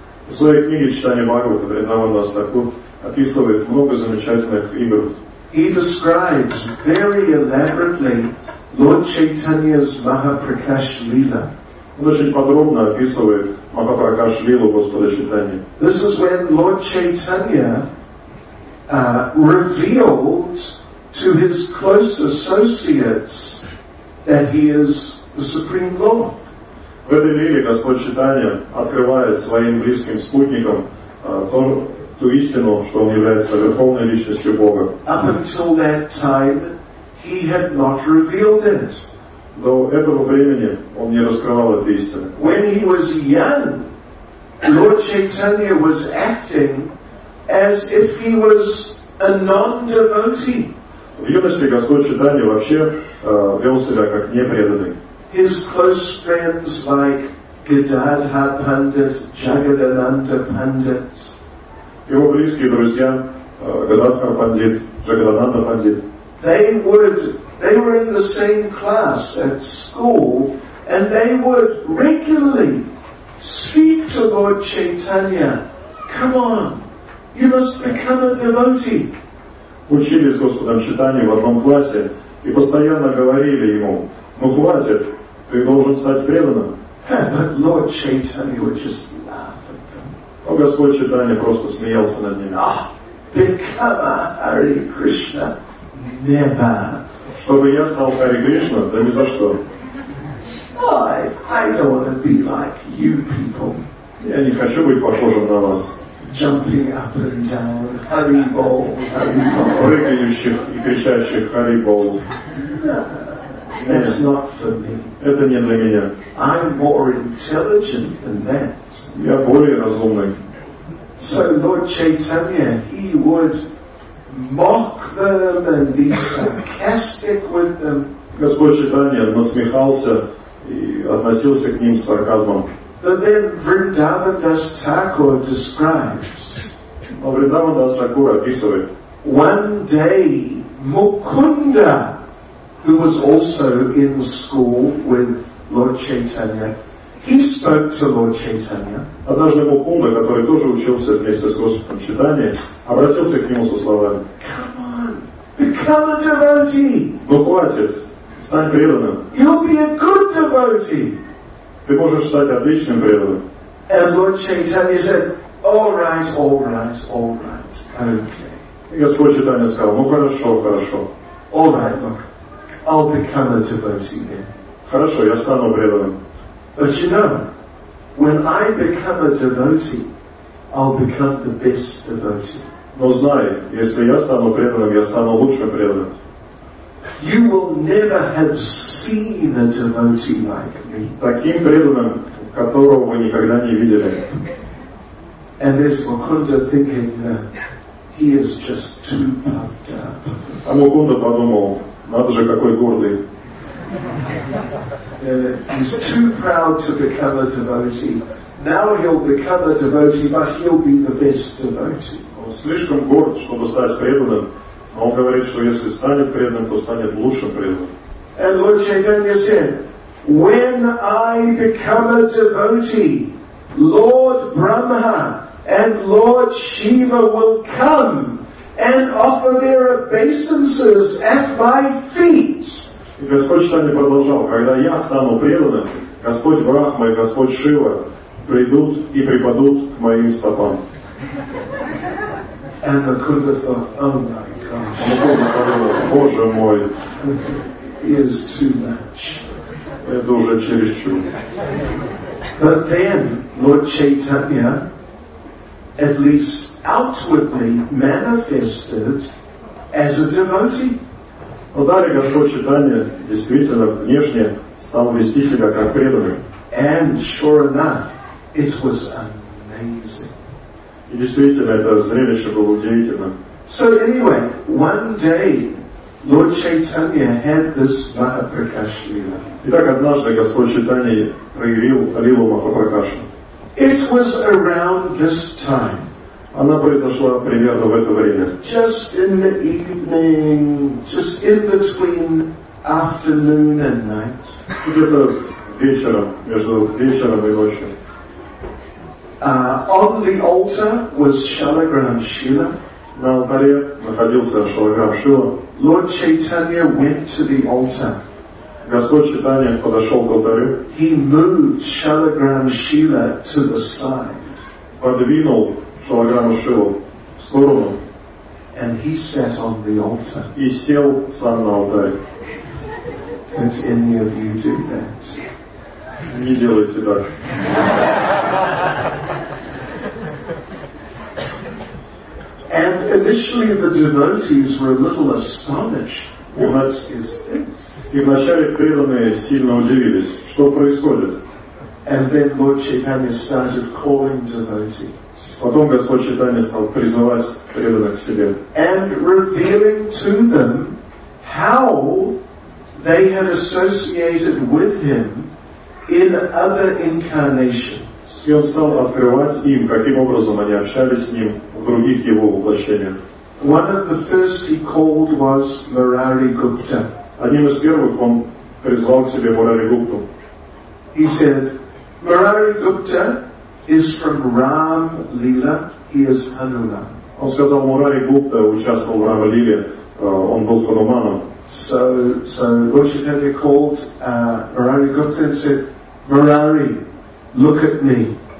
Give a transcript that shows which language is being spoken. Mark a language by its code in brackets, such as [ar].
[ru] В своей книге «Читание Бхагавата» Вриндаванадас Такур описывает много замечательных игр. [en] He describes very elaborately Lord Chaitanya's Mahaprakash Lila. [ru] Он очень подробно описывает Махапракаш Лилу Господа Читания. [en] This is when Lord Chaitanya revealed to his close associates that he is the Supreme Lord. [ru] В этой лиле Господь Читания открывает своим близким спутникам ту истину, что он является верховной личностью Бога. [en] Up until that time, he had not revealed it. [ru] До этого времени он не раскрывал эту истину. [en] When he was young, Lord Chaitanya was acting as if he was a non-devotee. [ru] В юности Господь Читания вообще вел себя как непреданный. [en] His close friends like Gadadhar Pandit, Jagadananda Pandit. [ru] Его близкие друзья, Gadadhar Pandit, Jagadananda Pandit. [en] They were in the same class at school, and they would regularly speak to Lord Chaitanya, come on, you must become a devotee. [ru] Учились с Господом Читанья в одном классе и постоянно говорили ему, ну хватит. Ты должен стать преданным. [en] But Lord Chaitanya would just laugh at them. [ru] Но Господь Читания просто смеялся над ними. [en] Oh, become a Hare Krishna. Never. [ru] Чтобы я стал Хари Кришна, да ни за что. [en] I don't want to be like you people. [ru] Я не хочу быть похожим на вас. [en] Jumping up and down, Haribol, Haribol. [ru] Прыгающих и кричащих Haribol. [en] That's not for me. [ru] Это не для меня. [en] I'm more intelligent than that. [ru] Я более разумный. [en] So Lord Chaitanya, he would mock them and be sarcastic with them. [ru] Господь Чайтанья насмехался и относился к ним с сарказмом. [en] But then Vrindavadas Thakur describes. [ru] Vrindavadas Thakur описывает. [en] One day, Mukunda, who was also in school with Lord Chaitanya, he spoke to Lord Chaitanya. [ru] Однажды Мукунда, который тоже учился вместе с Господом Чайтаньей, обратился к нему со словами. [en] Come on, become a devotee. [ru] Ну хватит, стань преданным. [en] You'll be a good devotee. [ru] Ты можешь стать отличным преданным. [en] And Lord Chaitanya said, all right, okay. [ru] И Господь Чайтанья сказал, ну хорошо. [en] All right, look, I'll become a devotee then. [ru] Хорошо, я стану преданным. [en] But you know, when I become a devotee, I'll become the best devotee. [ru] Но знай, если я стану преданным, я стану лучшим преданным. [en] You will never have seen a devotee like me. [ru] Таким преданным, которого вы никогда не видели. [en] And there's Mukunda thinking he is just too puffed up. [ru] А Мукунда подумал, надо же какой гордый. [en] He's too proud to become a devotee. Now he'll become a devotee, but he'll be the best devotee. [ru] Он слишком горд, чтобы стать преданным. Но он говорит, что если станет преданным, то станет лучшим преданным. [en] And Lord Chaitanya said, when I become a devotee, Lord Brahma and Lord Shiva will come and offer their obeisances at my feet. [ru] И Господь Чайтанья продолжал, когда я стану преданным, Господь Брахма и Господь Шива придут и припадут к моим стопам. [en] And the Kunda thought, oh my gosh. [ru] Боже мой. [en] Is too much. [ru] Это уже чересчур. [en] But then Lord Chaitanya at least outwardly manifested as a devotee. [ru] Но далее Господь Чайтанья действительно внешне стал вести себя как преданный. [en] And sure enough, it was amazing. [ru] И действительно, это зрелище было удивительным. [en] So anyway, one day, Lord Chaitanya had this Mahaprakash Lila. [ru] Итак, однажды Господь Чайтанья проявил Лилу Махапракашу. [en] It was around this time. [ru] Она произошла примерно в это время. [en] Just in the evening, just in between afternoon and night. [ru] Где-то вечером, между вечером и ночью. [en] On the altar was Shalagram Shila. [ru] На алтаре находился Шалаграм Шила. [en] Lord Chaitanya went to the altar. [ru] Господь Чайтанья подошел к алтарю. [en] He moved Shalagram Shila to the side. [ru] Подвинул Шалаграма Шиву в сторону. [en] And he sat on the altar. [ru] И сел сам на алтарь. [en] Don't any of you do that? [ru] Не делайте так. [en] And initially the devotees were a little astonished. What is this? [ru] И вначале преданные сильно удивились. Что происходит? [en] And then Lord Chaitanya started calling devotees. [ru] Потом Господь Чайтанья стал призывать преданных к себе. [en] And revealing to them how they had associated with him in other incarnations. [ru] И он стал открывать им, каким образом они общались с ним в других его воплощениях. [en] One of the first he called was Murari Gupta. [ru] Одним из первых он призвал к себе Мурари Гупту. [en] He said, Murari Gupta is from Ram Lila, he is Hanuman. [ru] Он сказал, Мурари Гупта участвовал в Рама Лиле, он был Хануманом. [en] So Lord Chaitanya called Murari Gupta and said, Murari, look at me.